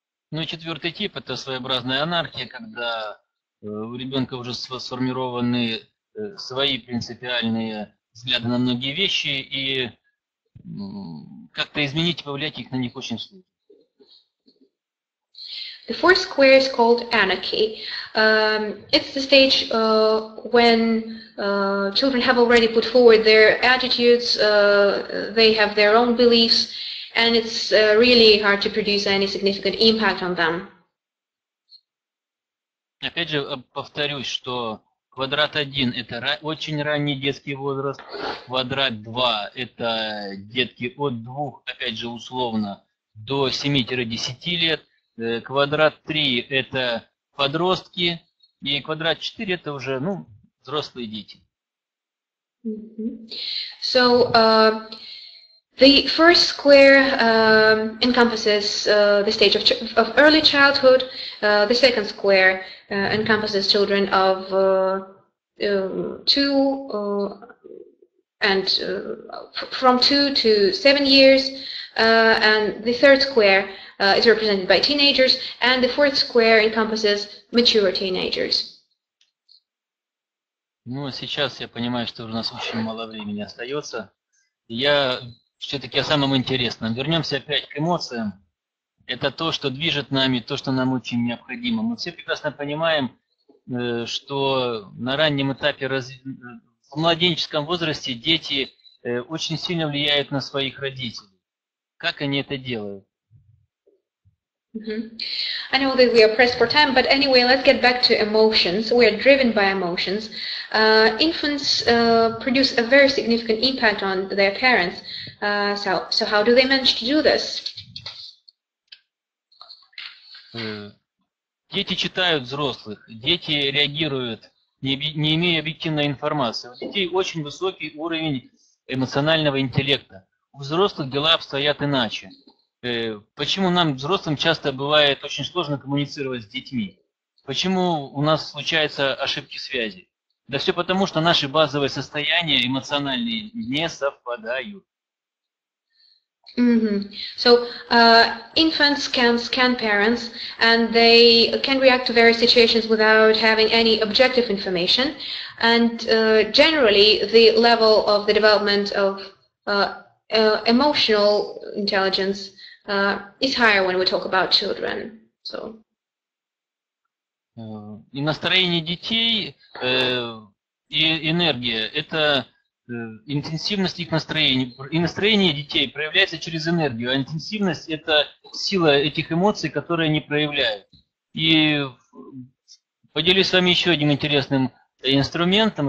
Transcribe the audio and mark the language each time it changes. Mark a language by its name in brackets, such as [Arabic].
[Russian] Ну, четвертый тип – это своеобразная анархия, когда у ребенка уже сформированы свои принципиальные взгляды на многие вещи, и как-то изменить, повлиять их на них очень сложно. [English] The fourth square is called anarchy. It's the stage when children have already put forward their attitudes, they have their own beliefs, and it's really hard to produce any significant impact on them. [Russian] Опять же, повторюсь, что квадрат один – это очень ранний детский возраст, квадрат два – это детки от двух, опять же, условно, до 7-10 лет, квадрат три – это подростки, и квадрат четыре – это уже, ну, взрослые дети. [English] So, the first square encompasses the stage of early childhood, the second square encompasses children of 2 to 7 years, and the third square is represented by teenagers, and the fourth square encompasses mature teenagers. [Russian] Ну, сейчас я понимаю, что у нас очень мало времени остается. Я все-таки о самом интересном. Вернемся опять к эмоциям. Это то, что движет нами, то, что нам очень необходимо. Мы все прекрасно понимаем, что на раннем этапе, в младенческом возрасте дети очень сильно влияют на своих родителей. Как они это делают? Mm-hmm. [English] I know that we are pressed for time, but anyway, let's get back to emotions. We are driven by emotions. Infants produce a very significant impact on their parents. So how do they manage to do this? [Russian] Дети читают взрослых, дети реагируют, не имея объективной информации. У детей очень высокий уровень эмоционального интеллекта. У взрослых дела обстоят иначе. Почему нам, взрослым, часто бывает очень сложно коммуницировать с детьми? Почему у нас случаются ошибки связи? Да все потому, что наши базовые состояния эмоциональные не совпадают. Mm-hmm. [English] So infants can scan parents, and they can react to various situations without having any objective information. And generally, the level of the development of emotional intelligence is higher when we talk about children. So. [Russian] И настроение детей и энергия – это интенсивность их настроения. И настроение детей проявляется через энергию, а интенсивность – это сила этих эмоций, которые они проявляют. И поделюсь с вами еще одним интересным инструментом.